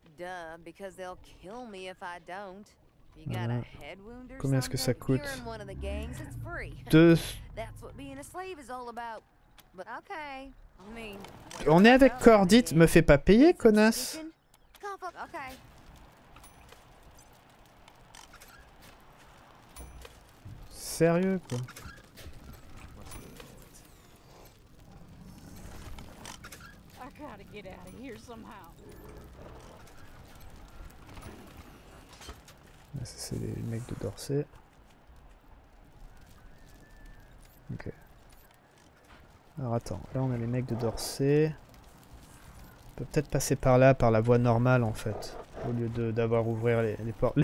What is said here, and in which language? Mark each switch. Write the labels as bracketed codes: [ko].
[en] Duh, because they'll kill me if I don't. You got a head wound or [fr] combien Est-ce que ça coûte? [en] You're in one of the gangs, it's free. [fr] Deux. [en] That's what being a slave is all about. But okay. I mean, [fr] on est avec Cordite, me fais pas payer, connasse. [en] Okay. [fr] Sérieux quoi. [en] I gotta get out of here somehow. [fr] Ça, c'est les mecs de Dorsey. Ok. Alors attends, là on a les mecs de Dorsey. On peut peut-être passer par là, par la voie normale en fait. Au lieu de, d'avoir ouvert les portes.